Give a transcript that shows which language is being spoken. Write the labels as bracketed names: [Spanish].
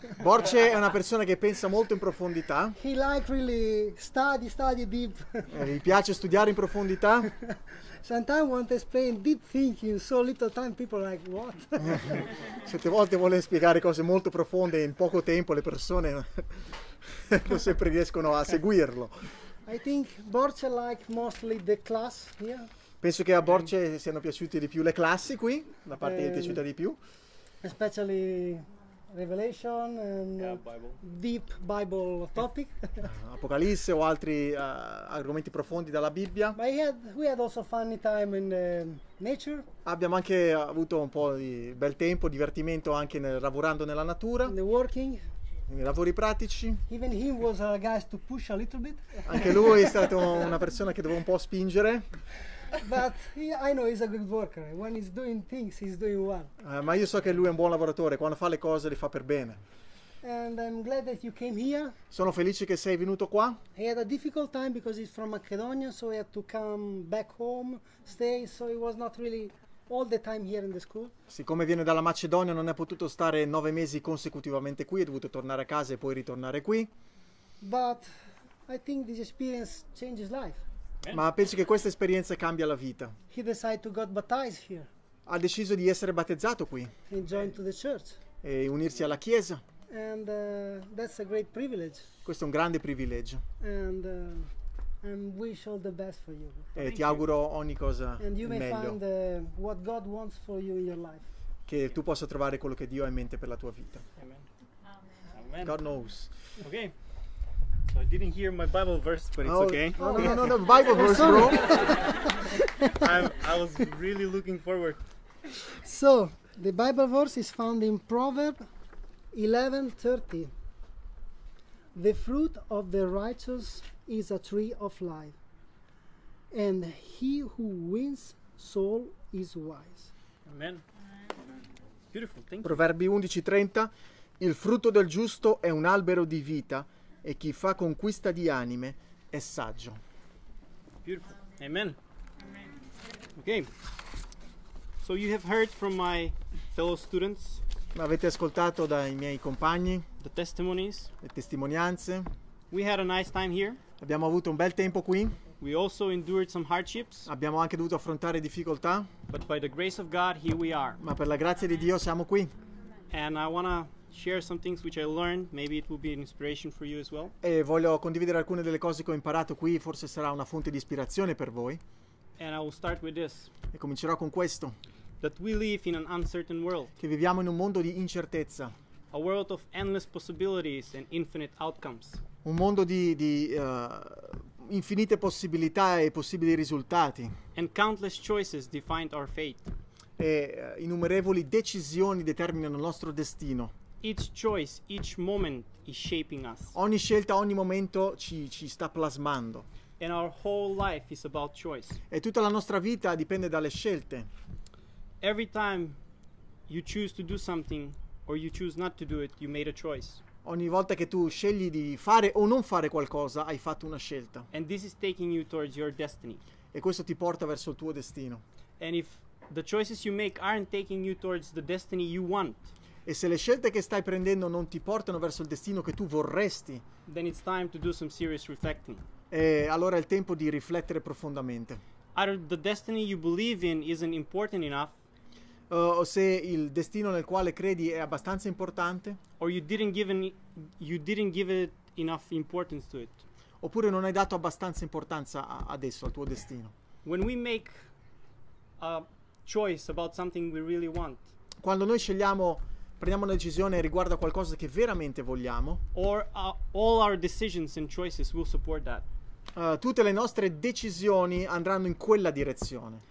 [Italian] Borce è una persona che pensa molto in profondità. [English] He like really study deep. [Italian] Gli piace studiare in profondità. [English] Sometimes want to explain deep thinking so little time people like what? [Italian] Certe volte vuole spiegare cose molto profonde in poco tempo le persone non sempre riescono a seguirlo. [English] I think Borce like mostly the class here. [Italian] Penso che a Borce siano piaciute di più le classi qui, la parte che è piaciuta di più. [English] Especially Revelation and Bible. Deep Bible topic. [Italian] Apocalisse o altri argomenti profondi dalla Bibbia. [English] But we had also funny time in nature. [Italian] Abbiamo anche avuto un po' di bel tempo, divertimento anche lavorando nella natura. [English] In the working. [Italian] I lavori pratici. [English] Even he was a guy to push a little bit. [Italian] Anche lui è stato una persona che doveva un po' spingere. [English] But I know he's a good worker. When he's doing things, he's doing well. [Italian] Ma io so che lui è un buon lavoratore. Quando fa le cose, le fa per bene. [English] And I'm glad that you came here. [Italian] Sono felice che sei venuto qua. [English] He had a difficult time because he's from Macedonia, so he had to come back home, stay. So he was not really all the time here in the school. [Italian] Siccome viene dalla Macedonia, non è potuto stare 9 mesi consecutivamente qui. È dovuto tornare a casa e poi ritornare qui. [English] But I think this experience changes life. [Italian] Ma penso che questa esperienza cambia la vita. [English] He decided to get baptized here. [Italian] Ha deciso di essere battezzato qui. [English] And join to the church. [Italian] E unirsi alla chiesa. [English] And that's a great privilege. [Italian] Questo è un grande privilegio. [English] And wish all the best for you. [Italian] E ti auguro ogni cosa [English] and you may [Italian] meglio. [English] Find what God wants for you in your life. [Italian] Che tu possa trovare quello che Dio ha in mente per la tua vita. [English] Amen. God knows. Okay. So I didn't hear my Bible verse, but it's okay. No, Bible verse, bro. I was really looking forward. So, the Bible verse is found in Proverbs 11:30. The fruit of the righteous is a tree of life, and he who wins soul is wise. Amen. Beautiful, thank you. [Italian] Proverbi 11:30. Il frutto del giusto è un albero di vita, e chi fa conquista di anime è saggio. [English] Beautiful. Amen. Amen. Okay. So you have heard from my fellow students. [Italian] Avete ascoltato dai miei compagni. [English] The testimonies. [Italian] Le testimonianze. [English] We had a nice time here. [Italian] Abbiamo avuto un bel tempo qui. [English] We also endured some hardships. [Italian] Abbiamo anche dovuto affrontare difficoltà. [English] But by the grace of God, here we are. [Italian] Ma per la grazia di Dio siamo qui. [English] And I wanna share some things which I learned, maybe it will be an inspiration for you as well. [Italian] E voglio condividere alcune delle cose che ho imparato qui, forse sarà una fonte di ispirazione per voi. [English] And I will start with this. [Italian] E comincerò con questo. [English] That we live in an uncertain world. [Italian] Che viviamo in un mondo di incertezza. [English] A world of endless possibilities and infinite outcomes. [Italian] Un mondo infinite possibilità e possibili risultati. [English] And countless choices define our fate. [Italian] E innumerevoli decisioni determinano il nostro destino. [English] Each choice, each moment is shaping us. [Italian] Ogni scelta, ogni momento ci sta plasmando. [English] And our whole life is about choice. [Italian] E tutta la nostra vita dipende dalle scelte. [English] Every time you choose to do something or you choose not to do it, you made a choice. [Italian] Ogni volta che tu scegli di fare o non fare qualcosa, hai fatto una scelta. [English] And this is taking you towards your destiny. [Italian] E questo ti porta verso il tuo destino. [English] And if the choices you make aren't taking you towards the destiny you want. [Italian] E se le scelte che stai prendendo non ti portano verso il destino che tu vorresti, [English] then it's time to do some serious reflecting. [Italian] E allora è il tempo di riflettere profondamente. [English] Either the destiny you believe in isn't important enough. [Italian] O se il destino nel quale credi è abbastanza importante. [English] Or you didn't give it enough importance to it. [Italian] Oppure non hai dato abbastanza importanza adesso al tuo destino. [English] When we make a choice about something we really want. [Italian] Quando noi scegliamo, prendiamo una decisione riguardo a qualcosa che veramente vogliamo. [English] Or all our decisions and choices will support that. [Italian] Tutte le nostre decisioni andranno in quella direzione.